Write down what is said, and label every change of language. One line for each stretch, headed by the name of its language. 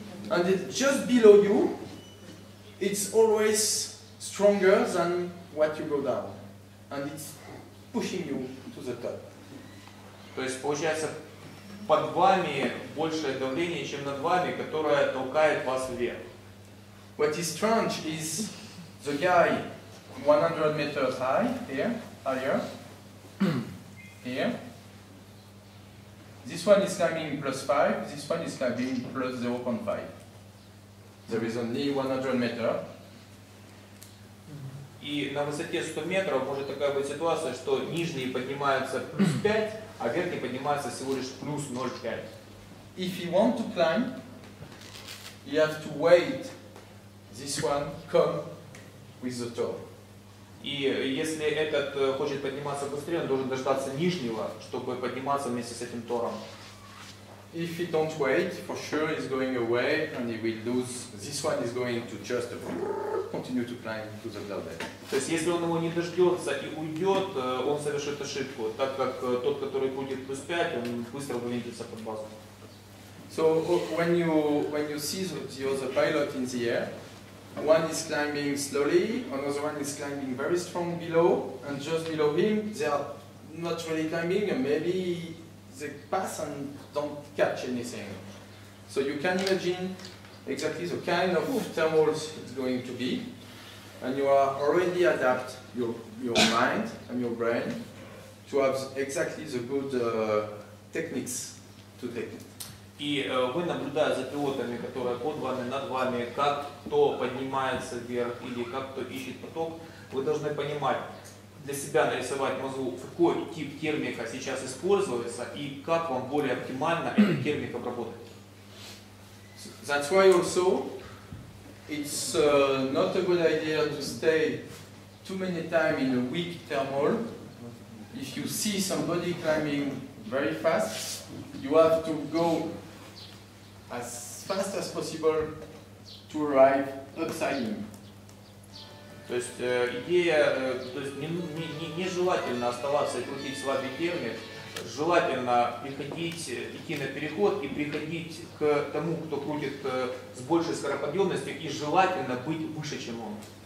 English: And just below you, it's always stronger than what you go down. And it's pushing you to the top.
Russian: То есть получается под вами большее давление, чем над вами, которое толкает вас вверх.
English: What is strange is the guy 100 meters high, here, higher, here. This one is climbing plus 5, this one is climbing plus 0.5. There is only 100 meters.
Russian: И на высоте 100 метров может такая быть ситуация, что нижние поднимаются плюс 5, а верхний поднимается всего лишь плюс 0.5.
English: If you want to climb, you have to wait this one come with the top.
Russian: И если этот хочет подниматься быстрее, он должен дождаться нижнего, чтобы подниматься вместе с этим тором.
English: If he don't wait, for sure he's going away and he will lose. This one is going to just continue to climb to the top.
Russian: То есть если он его не дождется и уйдет, он совершит ошибку, так как тот, который будет плюс 5, он быстро вылетится под базу.
English: So when you see the other pilot in the air, one is climbing slowly, another one is climbing very strong below, and just below him they are not really climbing, and maybe they pass and don't catch anything. So you can imagine exactly the kind of thermals it's going to be. And you are already adapt your mind and your brain to have exactly the good techniques to take it.
Russian: И вы, наблюдая за пилотами, которые под вами, над вами, как кто поднимается вверх или как кто ищет поток, вы должны понимать, для себя нарисовать мозгу, какой тип термика сейчас используется и как вам более оптимально этот термик обработать.
English: That's why also it's not a good idea to stay too many time in a weak thermal. If you see somebody climbing very fast, you have to go as fast as possible to arrive upside him.
Russian: То есть идея, то есть нежелательно оставаться и крутить слабый термик, желательно приходить, идти на переход и приходить к тому, кто крутит с большей скороподъемностью, и желательно быть выше, чем он.